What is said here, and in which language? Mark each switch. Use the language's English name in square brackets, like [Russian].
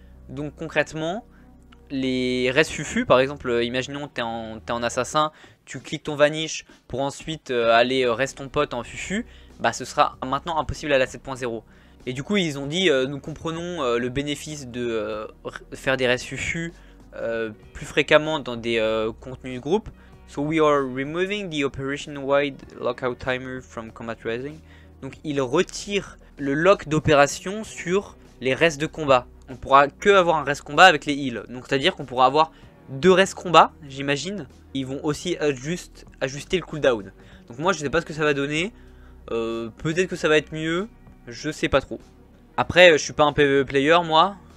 [French] Donc concrètement, les res fufu, par exemple, imaginons que tu es en assassin, tu cliques ton vanish pour ensuite aller res ton pote en fufu, bah ce sera maintenant impossible à la 7.0. Et du coup, ils ont dit, nous comprenons le bénéfice de faire des res fufu plus fréquemment dans des contenus de groupe. [English] So we are removing the operation-wide lockout timer from combat rising. [French] Donc il retire le lock d'opération sur les restes de combat. On pourra que avoir un reste combat avec les heals. Donc c'est-à-dire qu'on pourra avoir deux restes combat, j'imagine. Ils vont aussi ajuster le cooldown. Donc moi je sais pas ce que ça va donner. Peut-être que ça va être mieux. Je sais pas trop. Après je suis pas un PvE player moi.